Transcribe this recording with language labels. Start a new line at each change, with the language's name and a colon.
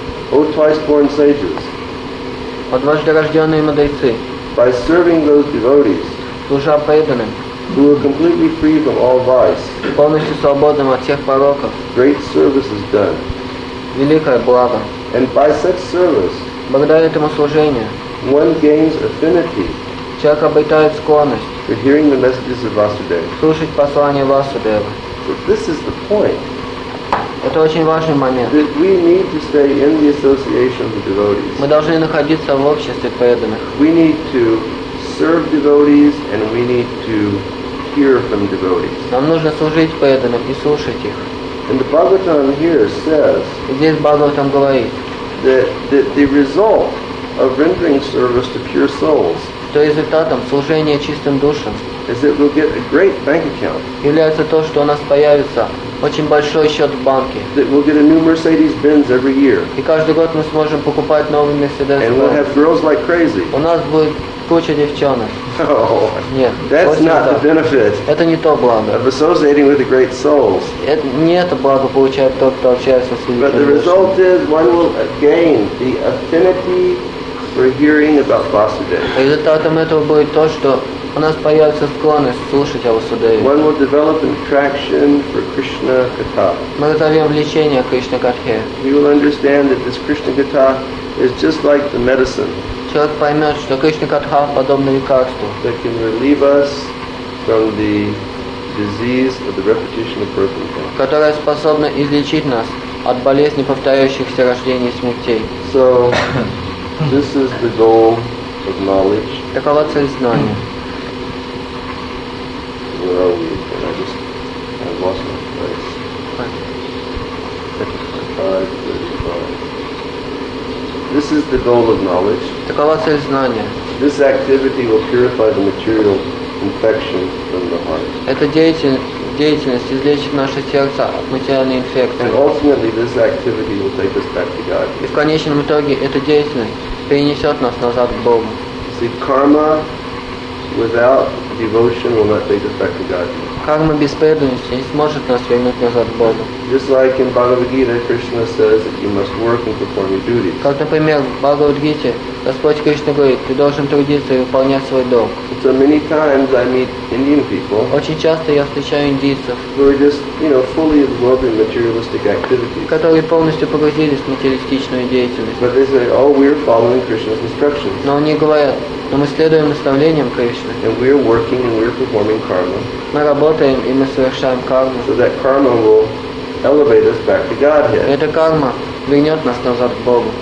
English: O twice born sages, by serving those devotees who are completely free from all vice, great service is done. And by such service,
Russian: благодаря этому служению,
English: one gains affinity.
Russian: Человек обретает склонность
English: for hearing the messages of Vasudeva.
Russian: Слушать послание Васудевы.
English: So this is the point.
Russian: Это очень важный момент.
English: That we need to stay in the association of the devotees.
Russian: Мы должны находиться в обществе преданных.
English: We need to serve devotees and we need to hear from devotees.
Russian: Нам нужно служить преданным и слушать их.
English: And the Bhagavatam here says.
Russian: Здесь Бхагаватам говорит.
English: That the result of rendering service to pure souls.
Russian: То результатом служения чистым душам.
English: Is it will get a great bank account.
Russian: Является то, что у нас появится очень большой счет в банке.
English: That we'll get a new Mercedes-Benz every year.
Russian: И каждый год мы сможем покупать новый Mercedes-Benz.
English: And we'll have girls like crazy.
Russian: У нас будет куча девчонок. Нет.
English: That's not the benefit.
Russian: Это не то благо.
English: Of associating with the great souls.
Russian: Это не это благо получает тот, кто общается с великими.
English: But the result is one will gain the affinity for hearing about Vasudeva.
Russian: Результатом этого будет то, что у нас появится склонность слушать о Васудеве.
English: One will develop an attraction for Krishna Katha.
Russian: Мы разовьем влечение к Кришна Катхе.
English: You will understand that this Krishna Katha is just like the medicine.
Russian: Человек поймет, что Кришна Катха подобно лекарству.
English: That can relieve us from the disease of the repetition of birth and death.
Russian: Которая способна излечить нас от болезни повторяющихся рождений и смертей.
English: So, this is the goal of knowledge.
Russian: Такова цель знания.
English: Where are we? I lost my place. 5:35. This is the goal of knowledge.
Russian: Такова цель знания.
English: This activity will purify the material infection from the heart.
Russian: Эта деятельность излечит наше сердце от материальной инфекции.
English: And ultimately, this activity will take us back to God.
Russian: И в конечном итоге эта деятельность перенесет нас назад к Богу.
English: See, karma without devotion will not take us back to God.
Russian: Карма без преданности не сможет нас вернуть назад к Богу.
English: Just like in Bhagavad Gita, Krishna says that you must work and perform your duties.
Russian: Как, например, в Бхагавад Гите Господь Кришна говорит, ты должен трудиться и выполнять свой долг.
English: So many times I meet Indian people.
Russian: Очень часто я встречаю индийцев.
English: Who are just, you know, fully absorbed in materialistic activities.
Russian: Которые полностью погрузились в материалистичную деятельность.
English: But they say, oh, we're following Krishna's instructions.
Russian: Но они говорят, но мы следуем наставлениям Кришны.
English: And we're working and we're performing karma.
Russian: Мы работаем и мы совершаем карму.
English: So that karma will elevate us back to Godhead.
Russian: Эта карма вернет нас назад к Богу.